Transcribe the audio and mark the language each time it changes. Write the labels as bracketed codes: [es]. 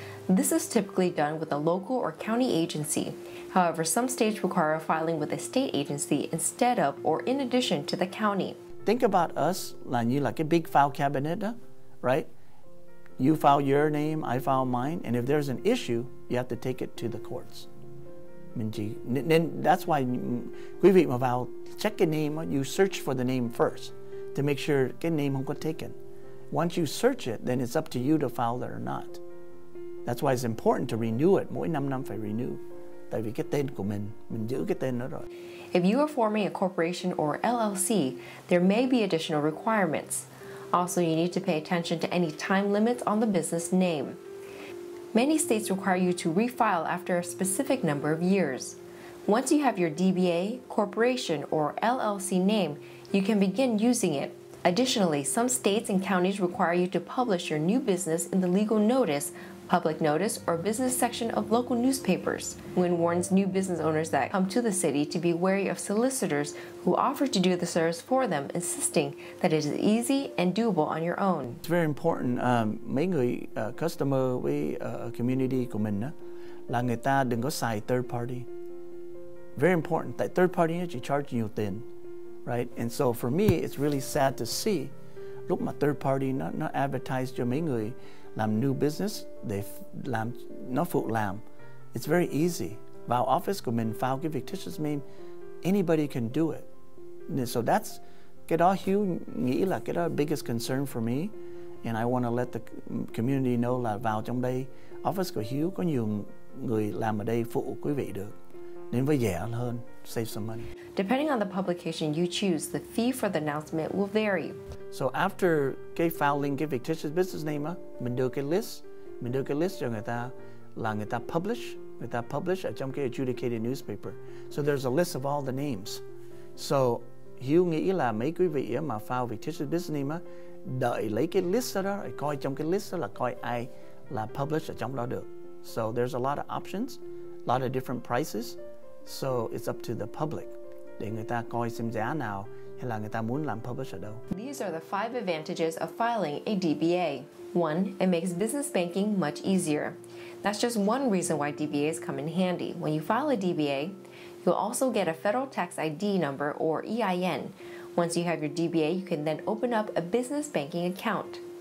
[en] This is typically done with a local or county agency. However, some states require filing with a state agency instead of or in addition to the county. Think about us, [vi] là như là cái [en] big file cabinet, right? You file your name, I file mine, and if there's an issue, you have to take it to the courts. [vi] Nên [en] that's why [vi] quý vị mà vào [en] check cái name, you search for the name first to make sure cái name [vi] không có [en] taken. Once you search it, then it's up to you to file it or not. That's why it's important to renew it. [vi] Mỗi 5 năm phải renew. Tại vì cái tên của mình giữ cái tên đó rồi. [en] If you are forming a corporation or LLC, there may be additional requirements. Also, you need to pay attention to any time limits on the business name. Many states require you to refile after a specific number of years. Once you have your DBA, corporation, or LLC name, you can begin using it. Additionally, some states and counties require you to publish your new business in the legal notice, public notice, or business section of local newspapers. Nguyen warns new business owners that come to the city to be wary of solicitors who offer to do the service for them, insisting that it is easy and doable on your own. It's very important. [vi] Mấy người customer với community của mình đó, là người ta đừng có xài third party. [en] Very important. [vi] Tại third party chỉ charge nhiều tiền, [en] right? And so for me, it's really sad to see [vi] lúc mà third party nó advertise cho mấy người làm new business, để làm nó phụ làm, [en] it's very easy. [vi] Vào office của mình file cái fictitious name, [en] anybody can do it. So that's, [vi] cái đó Hugh nghĩ là cái đó [en] biggest concern for me, and I want to let the community know [vi] là vào trong đây, office của Hugh có nhiều người làm ở đây phụ quý vị được, nên với rẻ hơn, [en] save some money. Depending on the publication you choose, the fee for the announcement will vary. So after [vi] cái filing cái fictitious business name, mình đưa cái list cho người ta, là người ta publish ở trong cái adjudicated newspaper. [en] So there's a list of all the names. [vi] So Hugh nghĩ là mấy quý vị mà file fictitious business name, đợi lấy cái list đó, coi trong cái list đó là coi ai là publish ở trong đó được. [en] So there's a lot of options, a lot of different prices. So it's up to the public. [vi] Để người ta coi xem giá nào hay là người ta muốn làm publish ở đâu. [en] These are the five advantages of filing a DBA. One, it makes business banking much easier. That's just one reason why DBAs come in handy. When you file a DBA, you'll also get a federal tax ID number or EIN. Once you have your DBA, you can then open up a business banking account.